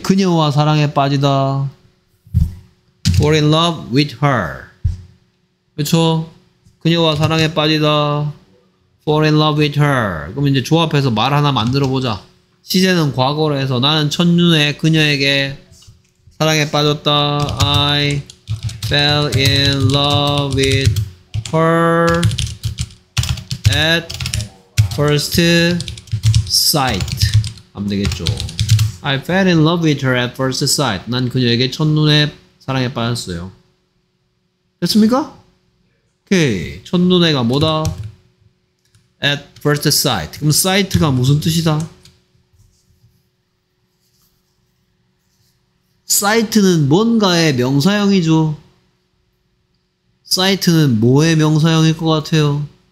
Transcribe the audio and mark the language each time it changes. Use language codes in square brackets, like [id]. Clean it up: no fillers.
[ko] 그녀와 사랑에 빠지다. [en] fall in love with her. [ko] 그렇죠. 그녀와 사랑에 빠지다. [en] fall in love with her. [ko] 그럼 이제 조합해서 말 하나 만들어 보자. 시제는 과거로 해서 나는 첫눈에 그녀에게 사랑에 빠졌다. [en] I fell in love with her at first sight. [ko] 하면 되겠죠. [en] I fell in love with her at first sight. [ko] 난 그녀에게 첫눈에 사랑에 빠졌어요. 됐습니까? 오케이. 첫눈에가 뭐다? [en] At first sight. [ko] 그럼 sight가 무슨 뜻이다? sight는 뭔가의 명사형이죠. sight는 뭐의 명사형일 것 같아요?